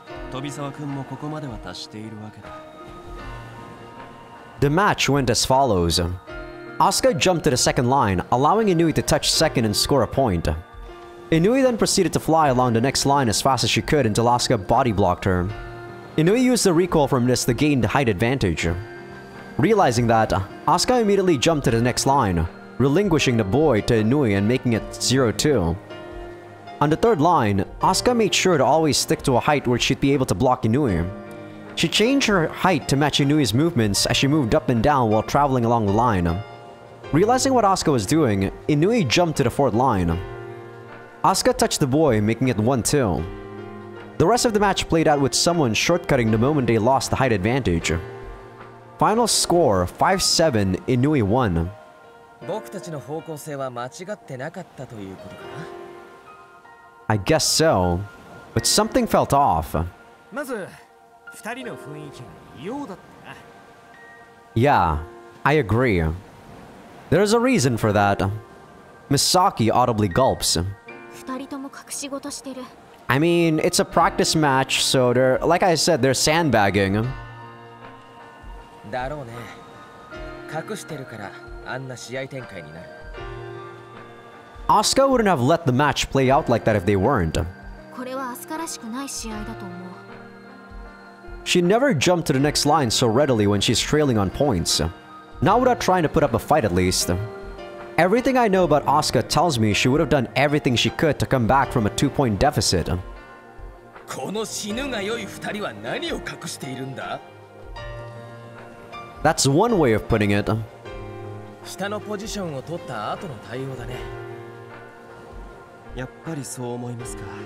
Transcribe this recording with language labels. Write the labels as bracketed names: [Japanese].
[Japanese] 富澤君もここまでは達しているわけだ。 [English] The match went as follows. Asuka jumped to the second line, allowing Inui to touch second and score a point. Inui then proceeded to fly along the next line as fast as she could until Asuka body blocked her. Inui used the recoil from this to gain the height advantage. Realizing that, Asuka immediately jumped to the next line, relinquishing the boy to Inui and making it 0-2. On the third line, Asuka made sure to always stick to a height where she'd be able to block Inui. She changed her height to match Inui's movements as she moved up and down while traveling along the line. Realizing what Asuka was doing, Inui jumped to the fourth line. Asuka touched the boy, making it 1-2. The rest of the match played out with someone shortcutting the moment they lost the height advantage. Final score, 5-7, Inui won. [Japanese] 僕たちの方向性は間違ってなかったということかな? [English] I guess so, but something felt off. [Japanese] まず、二人の雰囲気が異様だったな。 [English] Yeah, I agree. There's a reason for that. Misaki audibly gulps. [Japanese] 二人とも隠し事してる。 [English] I mean, it's a practice match, so they're, like I said, they're sandbagging. [Japanese] だろうね。隠してるからあんな試合展開になる。 [English] Asuka wouldn't have let the match play out like that if they weren't. [Japanese] これはアスカらしくない試合だと思う。 [English] She never jumped to the next line so readily when she's trailing on points. Not without trying to put up a fight at least. Everything I know about Asuka tells me she would have done everything she could to come back from a 2-point deficit. [Japanese] この死ぬが良い二人は何を隠しているんだ? [English] That's one way of putting it. [Japanese] 下のポジションを取った後の対応だね。やっぱりそう思いますか。